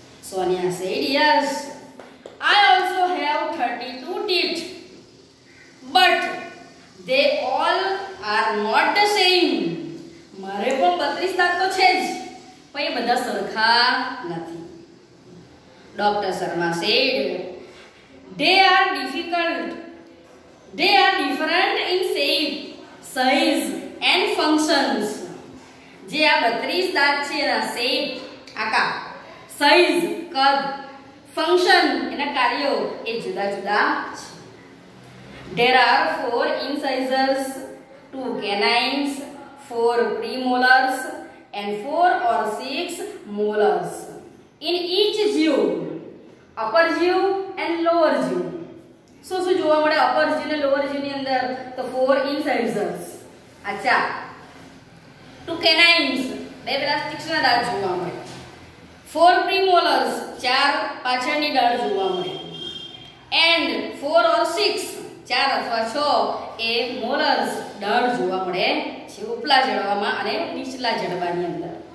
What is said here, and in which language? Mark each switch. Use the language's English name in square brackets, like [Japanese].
[English] Sonia said yes I also have 32 teeth but they all are not the same [Gujarati] મારે પણ 32 દાંત તો છે જ પણ એ બધા સરખા નથી [English] Doctor Sharma said They are difficult. They are different in shape, size and functions. [Gujarati] જે આ 32 દાંત છે એના શેપ આકાર સાઈઝ કદ ફંક્શન એના કાર્યો એ જુદા જુદા છે. [English] There are 4 incisors, 2 canines, 4 premolars and 4 or 6 molars. In each jaw, [Gujarati] upper જીવ એન્ડ લોઅર જીવ શું શું જોવા મળે અપર જીવ ને લોઅર જીવ ની અંદર તો 4 ઇન્સાઇઝર્સ અચ્છા 2 કેનાઇન્સ બે પેલા તીક્ષ્ણ દાંત જોવા મળે 4 પ્રીમોલર્સ 4 પાછળની દાંત જોવા મળે એન્ડ 4 ઓર 6 4 અથવા 6 એ મોલર્સ દાંત જોવા મળે છે ઉપલા જડવામાં અને નીચલા જડવાની અંદર